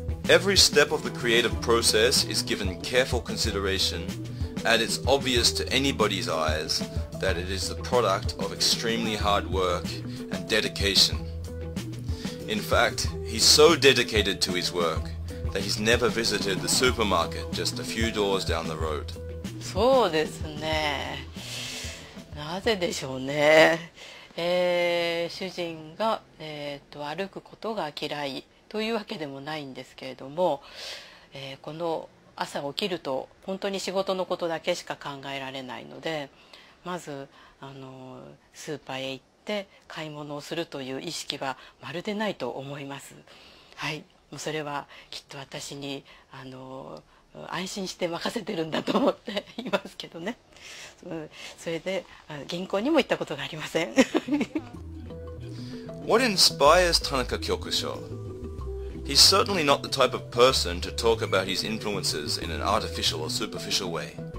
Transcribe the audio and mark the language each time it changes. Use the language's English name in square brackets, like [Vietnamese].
[English] Every step of the creative process is given careful consideration, and it's obvious to anybody's eyes that it is the product of extremely hard work and dedication. In fact, he's so dedicated to his work that he's never visited the supermarket just a few doors down the road. [Japanese] そうですね。なぜでしょうね。主人が歩くことが嫌いというわけでもないんですけれども、この朝起きると本当に仕事のことだけしか考えられないので、まずスーパーへ行って買い物をするという意識はまるでないと思います。はい、それはきっと私に安心して任せてるんだと思っていますけどね。それで銀行にも行ったことがありません。 [English] What inspires Tanaka Kyokusho? He's certainly not the type of person to talk about his influences in an artificial or superficial way.